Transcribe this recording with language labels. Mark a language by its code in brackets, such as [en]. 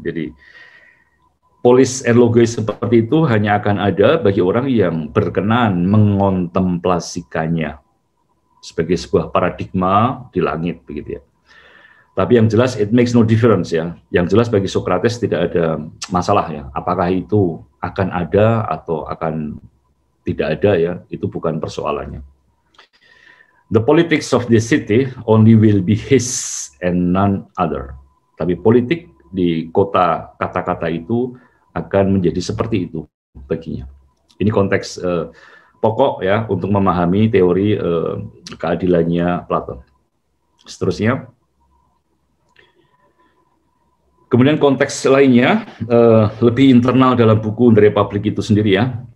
[id] Jadi, polis and logos seperti itu hanya akan ada bagi orang yang berkenan mengontemplasikannya sebagai sebuah paradigma di langit, begitu, ya. Tapi yang jelas [en] it makes no difference, [id] ya. Yang jelas bagi Socrates tidak ada masalah, ya. Apakah itu akan ada atau akan tidak ada, ya, itu bukan persoalannya. [en] The politics of the city only will be his and none other. [id] Tapi politik di kota kata-kata itu akan menjadi seperti itu baginya. Ini konteks pokok, ya, untuk memahami teori keadilannya Platon. Seterusnya, kemudian konteks lainnya lebih internal dalam buku The Republic itu sendiri, ya.